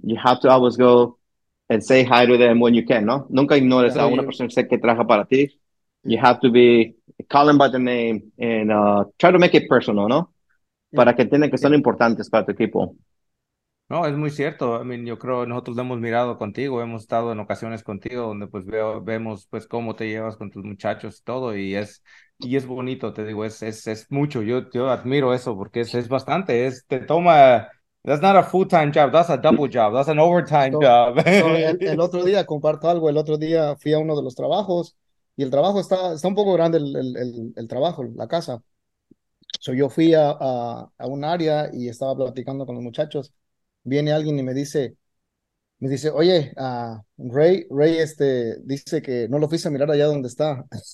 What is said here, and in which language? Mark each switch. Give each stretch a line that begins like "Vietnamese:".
English: You have to always go and say hi to them when you can, ¿no?
Spanish: Nunca ignores a una persona que trabaja para ti.
English: You have to be, call them by the name and try to make it personal, ¿no?
Spanish: Para que entiendan que son importantes para tu equipo. No, es muy cierto. I mean, yo creo, nosotros lo hemos mirado contigo, hemos estado en ocasiones contigo donde pues vemos pues cómo te llevas con tus muchachos y todo, y es bonito, te digo, es mucho. Yo admiro eso porque es bastante, es te toma,
English: that's not a full time job, that's a double job, that's an
Spanish: So, so el
English: overtime
Spanish: otro
English: job.
Spanish: día comparto algo. El otro día fui a uno de los trabajos y el trabajo está un poco grande, el trabajo, la casa. So, yo fui a un área y estaba platicando con los muchachos. Viene alguien y me dice, oye, Ray, dice que no lo fuiste a mirar allá donde está.